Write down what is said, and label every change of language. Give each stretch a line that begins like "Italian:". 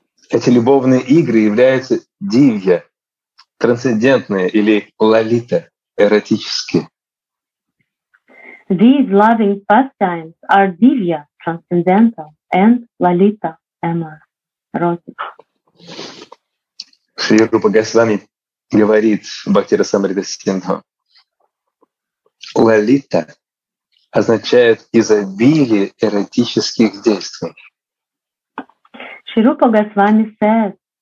Russian: эти любовные игры являются дивья, трансцендентные или лалита, эротические.
English: These loving pastimes are divya, transcendental, and lalita, erotic.
Russian: Шри Рупа Госвами говорит Бхакти Расамрита Синдху, лалита означает изобилие эротических действий.
English: Шри Рупа Госвами says,